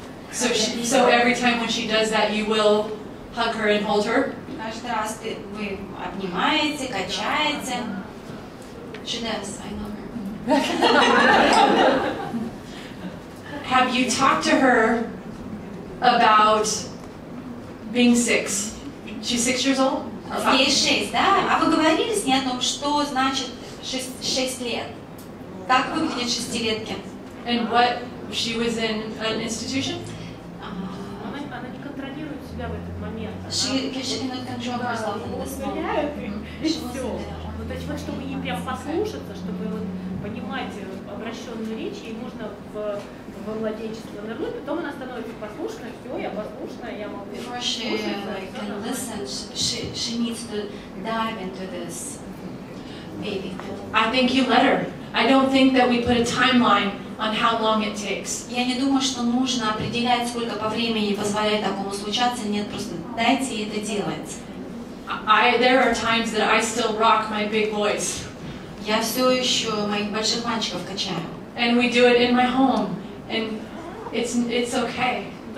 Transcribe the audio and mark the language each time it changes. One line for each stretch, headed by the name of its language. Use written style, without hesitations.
English: So every time when she does that, you will hug her and hold her?
Russian: Каждый раз вы обнимаете, качаете.
English: She knows, I know her. Have you talked to her about being six? She's 6 years old?
Russian: Ей 6, да? А вы говорили с ней о том, что значит 6 лет? Как выглядит 6-летки?
English: And what, she was in an institution?
Russian: Она не контролирует себя в этом.
English: She cannot control herself in this moment.
Russian: Вот, чтобы ей прям послушаться, чтобы понимать обращенную речь, ей можно во младенчество вернуть, потом она становится послушной, все, я послушная, я могу.
English: Before she can listen, she needs to dive into this baby. I think you let her. I don't think that we put a timeline on how long it takes.
Russian: Я не думаю, что нужно определять, сколько по времени позволяет такому случаться. Нет, просто дайте это делать.
English: There are times that I still rock my big boys.
Russian: Я все еще моих больших мальчиков качаю.
English: And we do it in my home, and it's okay.